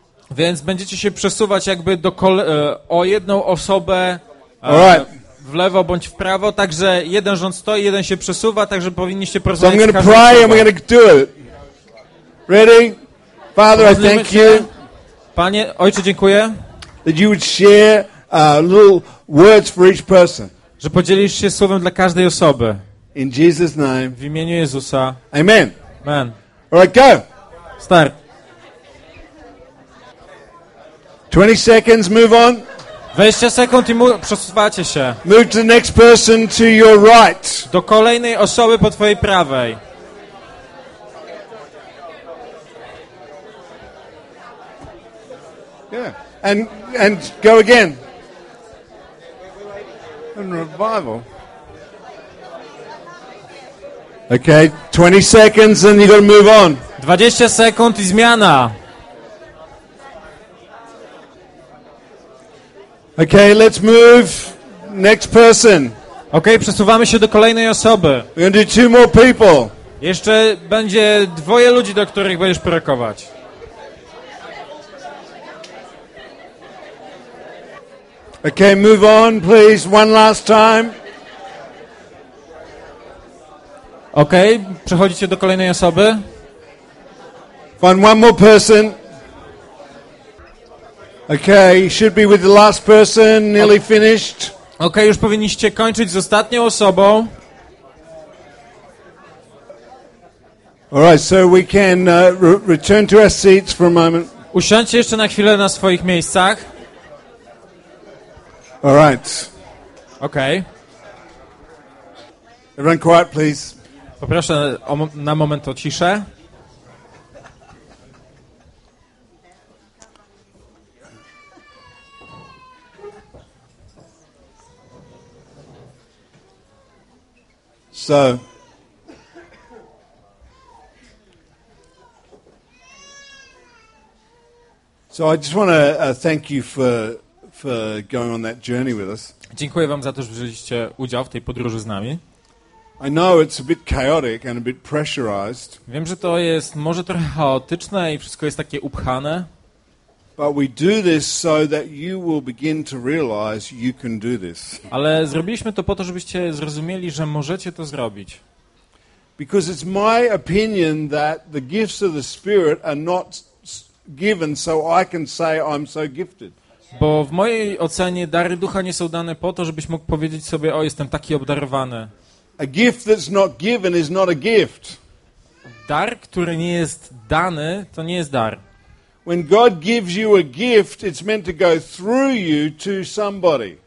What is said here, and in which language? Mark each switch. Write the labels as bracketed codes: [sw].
[pl] Więc będziecie się przesuwać jakby do o jedną osobę w lewo bądź w prawo, także jeden rząd stoi, jeden się przesuwa, także powinniście porozmawiać. [en] So I'm pray and we're do it. Ready? Father, I thank you. [pl] Panie, Ojcze, dziękuję. [en] That you would share little words for each person. [pl] Że podzielisz się słowem dla każdej osoby. [en] In Jesus' name. [pl] W imieniu Jezusa. [en] Amen. [pl] Amen. [en] All right, go. Start. 20 seconds, move on. [pl] 20 sekund i przesuwacie się. [en] Move to the next person to your right. [pl] Do kolejnej osoby po twojej prawej. [en] Yeah. And go again. In revival. Okay, 20 seconds and you gotta move on. [pl] 20 sekund i zmiana. [en] Okay, let's move. Next person. [pl] Okay, przesuwamy się do kolejnej osoby. [en] We're gonna do two more people. [pl] Jeszcze będzie dwoje ludzi, do których będziesz prorokować. [en] Okay, move on, please, one last time. [pl] Okay, przechodzicie do kolejnej osoby. [en] Find one more person. Okay, should be with the last person, nearly finished. [pl] Okay, już powinniście kończyć z ostatnią osobą. [en] All right, so we can return to our seats for a moment. [pl] Usiądźcie jeszcze na chwilę na swoich miejscach. [en] All right. Okay. Everyone quiet, please. [pl] Poproszę na moment o ciszę. [en] So. So I just want to thank you for going on that journey with us. [pl] Dziękuję wam za to, że wzięliście udział w tej podróży z nami. [en] I know it's a bit chaotic and a bit pressurized. [pl] Wiem, że to jest może trochę chaotyczne i wszystko jest takie upchane. [en] But we do this so that you will begin to realize you can do this. [pl] Ale zrobiliśmy to po to, żebyście zrozumieli, że możecie to zrobić. [en] Because it's my opinion that the gifts of the Spirit are not given so I can say I'm so gifted. [pl] Bo w mojej ocenie dary ducha nie są dane po to, żebyś mógł powiedzieć sobie, o, jestem taki obdarowany. [en] A gift that's not given is not a gift. [pl] Dar, który nie jest dany, to nie jest dar. [en] When God gives you a gift, it's meant to go through you to somebody.